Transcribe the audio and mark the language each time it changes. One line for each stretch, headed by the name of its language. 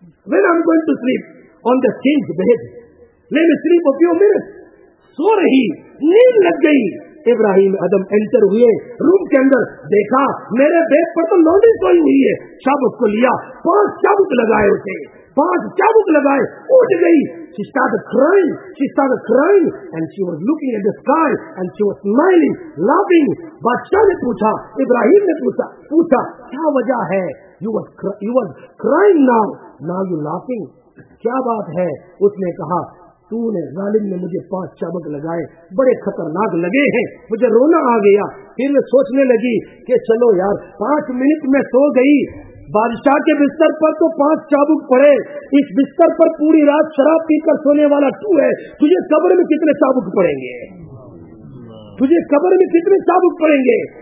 English: When I'm going to sleep on the king's bed,
Urdu: میں صرف
English: a few minutes
Urdu: سو رہی, نیند لگ گئی. ابراہیم آدم انٹر ہوئے روم کے اندر, دیکھا میرے بیڈ پر تو لونڈی سوئی ہوئی ہے, چابک کو لیا, 5 چابک لگائے اسے, 5 چابک لگائے, اٹھ گئی.
English: She started crying, she started crying and she was looking at the sky and she was smiling, laughing.
Urdu: بادشاہ نے پوچھا, ابراہیم نے پوچھا کیا وجہ ہے,
English: you was crying now you laughing,
Urdu: کیا بات ہے. اس نے کہا تو نے ظالم نے مجھے 5 چابک لگائے, بڑے خطرناک لگے ہیں, مجھے رونا آ گیا. پھر میں سوچنے لگی کہ چلو یار 5 منٹ میں سو گئی, بادشاہ کے بستر پر تو 5 چابک پڑے, اس بستر پر پوری رات شراب پی کر سونے والا تو ہے, تجھے قبر میں کتنے چابک پڑیں گے, تجھے قبر میں کتنے چابک پڑیں گے.